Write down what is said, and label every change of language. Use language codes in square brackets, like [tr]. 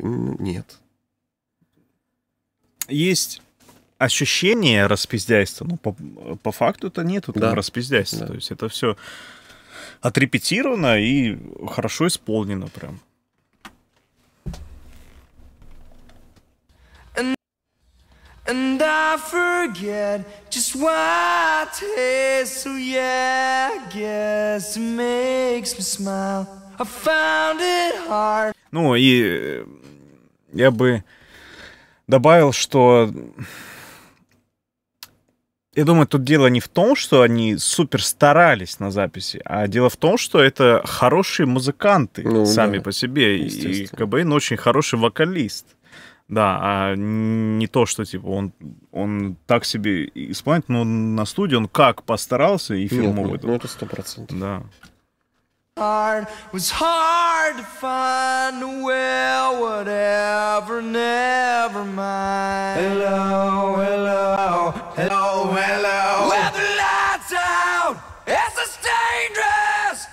[ru] Нет. Есть... ощущение распиздяйства, но по факту-то нету там распиздяйства. Да. То есть это все отрепетировано и хорошо исполнено прям. [en] And I forget just what is so yeah, I guess it makes me smile. I found it hard. [ru] Ну и я бы добавил, что... Я думаю, тут дело не в том, что они супер старались на записи, а дело в том, что это хорошие музыканты сами по себе. И Кобейн очень хороший вокалист. Да, а не то, что типа он так себе исполняет, но на студии он как постарался и фирму выдал. Ну это 100%. Да. [en] Hard, was hard to find a well, whatever, never mind. Hello, hello, hello, hello. When the light's out, it's as dangerous.